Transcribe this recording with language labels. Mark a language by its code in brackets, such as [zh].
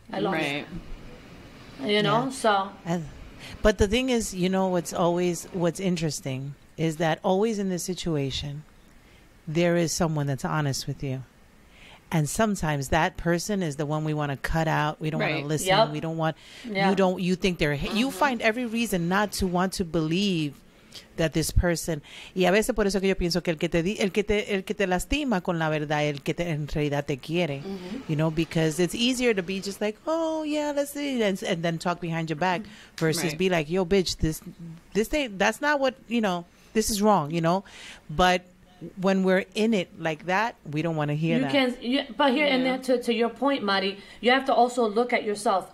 [en] But the thing is, you know, what's interesting is that always in this situation, there is someone that's honest with you. And sometimes that person is the one we want to cut out. We don't want to listen. Yep. We don't want, you think they're, you find every reason not to want to believe that this person. [es] Y a veces por eso que yo pienso que el que te lastima con la verdad, el que te, en realidad te quiere. Mm-hmm. [en] You know, because it's easier to be just like, oh, yeah, let's see. And then talk behind your back versus be like, yo, bitch, this thing, that's not what, you know, this is wrong, you know. But when we're in it like that, we don't want to hear you that. But here, and then to your point, Mari, you have to also look at yourself.